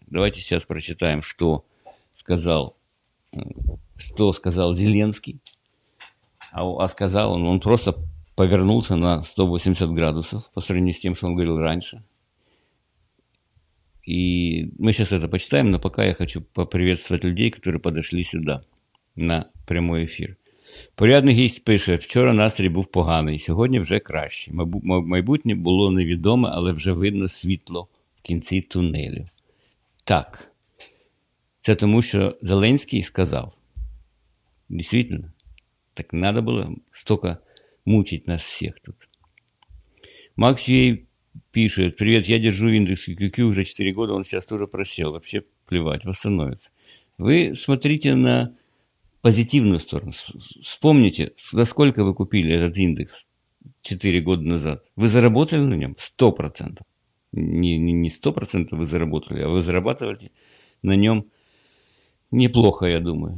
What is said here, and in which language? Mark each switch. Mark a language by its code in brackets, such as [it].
[ru] Давайте сейчас прочитаем, что сказал Зеленский. А сказал он, просто повернулся на 180 градусов по сравнению с тем, что он говорил раньше. И мы сейчас это почитаем, но пока я хочу поприветствовать людей, которые подошли сюда на прямой эфир. [uk] Порядний гість пише, вчора настрій був поганий, сьогодні вже краще. Майбутнє було невідоме, але вже видно світло в кінці тунелю. Так, це тому, що Зеленський сказав. Дійсно, так треба було стільки мучити нас всіх тут. Макс Вей пише, привіт, я держу індекс QQQ вже 4 роки, він зараз теж просів, взагалі плівати, встановиться. [ru] Ви смотрите на позитивную сторону. Вспомните, за сколько вы купили этот индекс 4 года назад. Вы заработали на нем 100%. Не 100% вы заработали, а вы зарабатываете на нем неплохо, я думаю.